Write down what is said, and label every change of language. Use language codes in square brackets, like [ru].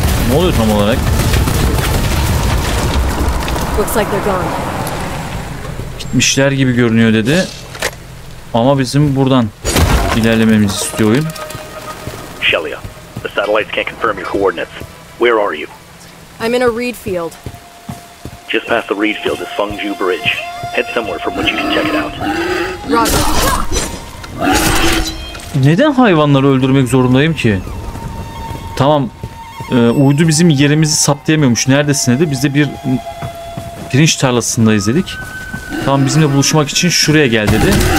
[tr] Ne oluyor tam olarak? [en] Looks like they're gone. [tr] Gitmişler gibi görünüyor dedi. Ama bizim buradan ilerlememizi istiyor oyun. [en] Shelia, the satellites can't confirm your coordinates. Where are you? I'm in a reed field. Just past the reed field is Fengju Bridge. Head somewhere from which you can check it out. Roger. [tr] Neden hayvanları öldürmek zorundayım ki? Tamam, uydu bizim yerimizi saptayamıyormuş. Neredesin dedi. Biz de bir pirinç tarlasındayız dedik. Tamam, bizimle buluşmak için şuraya gel dedi.